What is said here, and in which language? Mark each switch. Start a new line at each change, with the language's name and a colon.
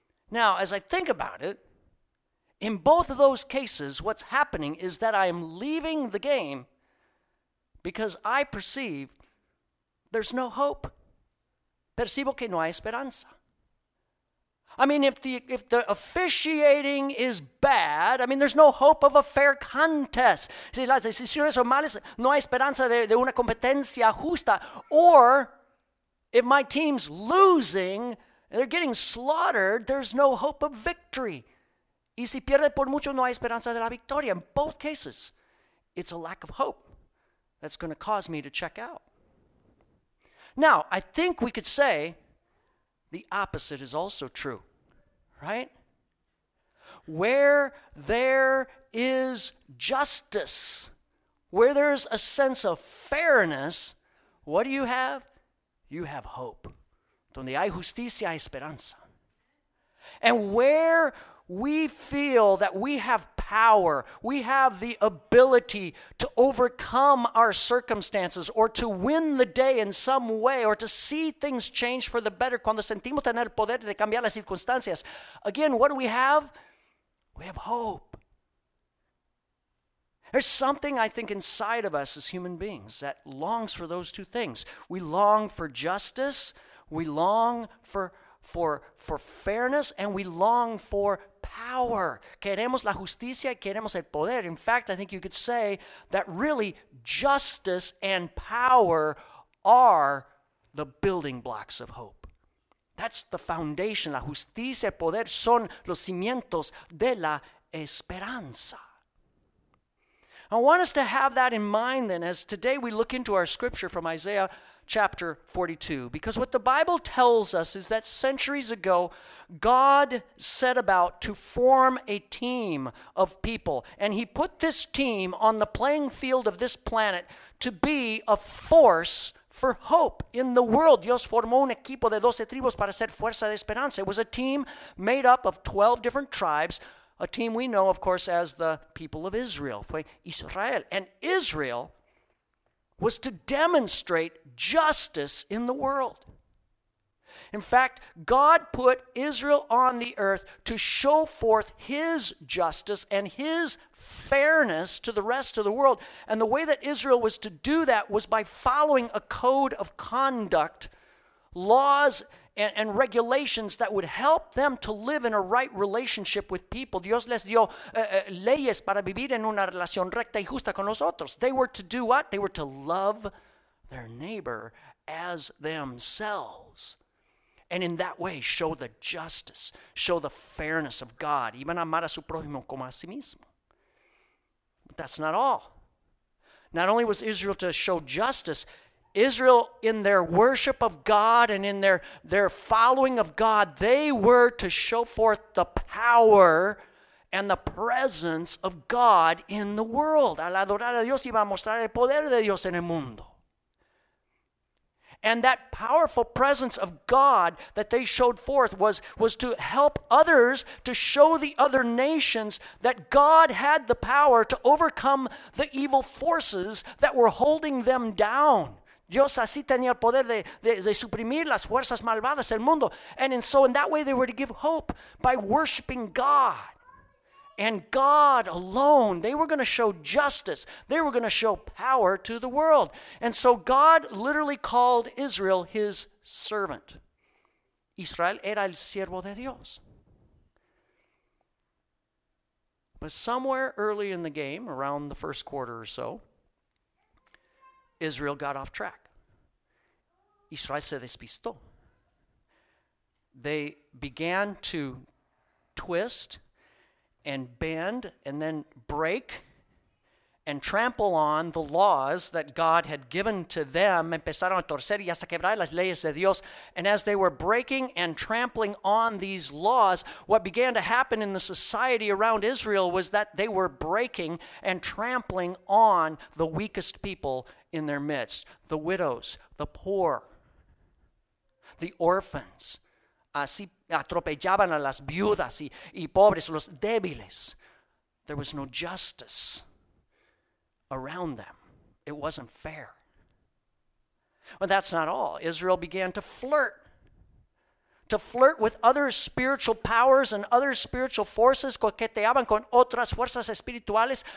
English: Now, as I think about it, in both of those cases, what's happening is that I am leaving the game because I perceive there's no hope.
Spanish: Percibo que no hay esperanza.
English: I mean, if the officiating is bad, I mean, there's no hope of a fair contest.
Spanish: Si las decisiones son malas, no hay esperanza de una competencia justa.
English: Or if my team's losing, they're getting slaughtered, there's no hope of victory.
Spanish: Y si pierde por mucho, no hay esperanza de la victoria.
English: In both cases, it's a lack of hope that's going to cause me to check out. Now, I think we could say the opposite is also true, right? Where there is justice, where there's a sense of fairness, what do you have? You have hope.
Spanish: Donde hay justicia, hay esperanza.
English: And where we feel that we have power, we have the ability to overcome our circumstances or to win the day in some way or to see things change for the better.
Spanish: Cuando sentimos tener poder de cambiar las circunstancias.
English: Again, what do we have? We have hope. There's something I think inside of us as human beings that longs for those two things. We long for justice, we long for fairness, and we long for power.
Spanish: Queremos la justicia y queremos el poder.
English: In fact, I think you could say that really justice and power are the building blocks of hope. That's the foundation.
Spanish: La justicia y el poder son los cimientos de la esperanza.
English: I want us to have that in mind then as today we look into our scripture from Isaiah chapter 42. Because what the Bible tells us is that centuries ago, God set about to form a team of people. And he put this team on the playing field of this planet to be a force for hope in the world.
Spanish: Dios formó un equipo de 12 tribus para ser fuerza de esperanza.
English: It was a team made up of 12 different tribes, a team we know, of course, as the people of Israel.
Spanish: Fue Israel.
English: And Israel was to demonstrate justice in the world. In fact, God put Israel on the earth to show forth his justice and his fairness to the rest of the world. And the way that Israel was to do that was by following a code of conduct, laws and regulations that would help them to live in a right relationship with people.
Spanish: Dios les dio leyes para vivir en una relación recta y justa con nosotros.
English: They were to do what? They were to love their neighbor as themselves. And in that way, show the justice, show the fairness of God.
Spanish: Iban a amar a su prójimo como a sí mismo.
English: But that's not all. Not only was Israel to show justice, Israel, in their worship of God and in their following of God, they were to show forth the power and the presence of God in the world.
Spanish: Al adorar a Dios iba a mostrar el poder de Dios en el mundo.
English: And that powerful presence of God that they showed forth was to help others, to show the other nations that God had the power to overcome the evil forces that were holding them down.
Spanish: Dios así tenía el poder de suprimir las fuerzas malvadas del mundo.
English: And so in that way they were to give hope by worshiping God. And God alone, they were going to show justice. They were going to show power to the world. And so God literally called Israel his servant.
Spanish: Israel era el siervo de Dios.
English: But somewhere early in the game, around the first quarter or so, Israel got off track.
Spanish: Israel se despistó.
English: They began to twist and bend and then break and trample on the laws that God had given to them.
Spanish: Empezaron a torcer y hasta quebrar las leyes de Dios.
English: And as they were breaking and trampling on these laws, what began to happen in the society around Israel was that they were breaking and trampling on the weakest people in their midst, the widows, the poor, the orphans.
Spanish: Así atropellaban a las viudas y pobres, los débiles.
English: There was no justice around them. It wasn't fair. But that's not all. Israel began to flirt with other spiritual powers and other spiritual forces,
Spanish: coqueteaban con otras fuerzas espirituales.